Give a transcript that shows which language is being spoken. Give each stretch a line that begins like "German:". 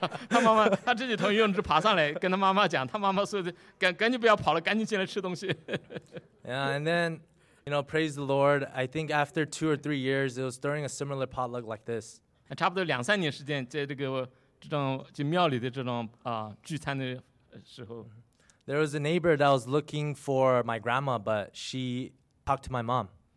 Chinese: 他妈妈，他自己从游泳池爬上来，跟他妈妈讲，他妈妈说的，赶紧不要跑了，赶紧进来吃东西。
English: Yeah, and then, you know, praise the Lord. I think after 2 or 3 years, it was during a similar potluck like this.
Chinese: 差不多两三年时间，在这个这种就庙里的这种聚餐的时候。
English: There was a neighbor that was looking for my grandma, but she talked to my mom.